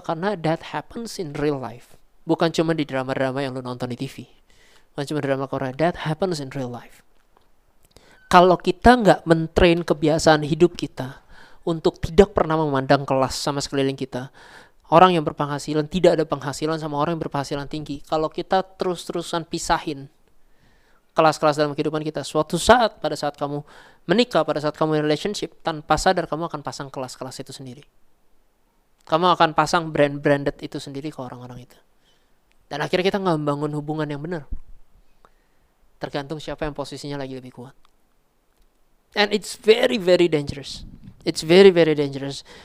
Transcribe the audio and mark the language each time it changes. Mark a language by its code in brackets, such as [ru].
[id] Karena [en] that happens in real life. [id] Bukan cuma di drama-drama yang lu nonton di TV. Bukan cuma drama Korea. [en] That happens in real life. [id] Kalau kita nggak mentrain kebiasaan hidup kita untuk tidak pernah memandang kelas sama sekeliling kita, orang yang berpenghasilan tidak ada penghasilan sama orang yang berpenghasilan tinggi. Kalau kita terus-terusan pisahin kelas-kelas dalam kehidupan kita, suatu saat pada saat kamu menikah, pada saat kamu in relationship, tanpa sadar kamu akan pasang kelas-kelas itu sendiri. Kamu akan pasang brand-branded itu sendiri ke orang-orang itu. Dan akhirnya kita gak membangun hubungan yang benar. Tergantung siapa yang posisinya lagi lebih kuat. [en] And it's very, very dangerous. It's very, very dangerous.